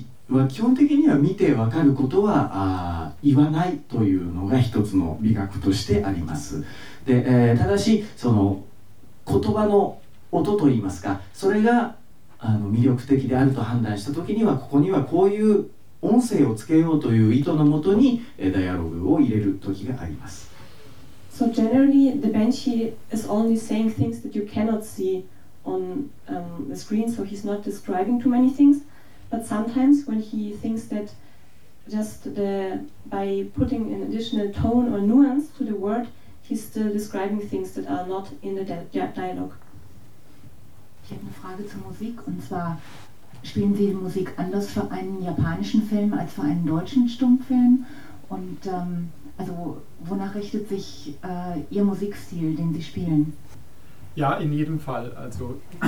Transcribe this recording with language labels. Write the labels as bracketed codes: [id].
[ja] は基本的には見てわかることは言わないというのが一つの美学としてあります。で、ただしその言葉の音といいますか、それがあの魅力的であると判断した時には、ここにはこういう音声をつけようという意図のもとにダイアログを入れる時があります。 [en] So generally the banshee is only saying things that you cannot see on the screen, so he's not describing too many thingsBut sometimes when he thinks that just by putting an additional tone or nuance to the word, he's still describing things that are not in the dialogue. [de] Ich habe eine Frage zur Musik, und zwar spielen Sie Musik anders für einen japanischen Film als für einen deutschen Stummfilm? Und also wonach richtet sich Ihr Musikstil, den Sie spielen? Ja, in jedem Fall. Also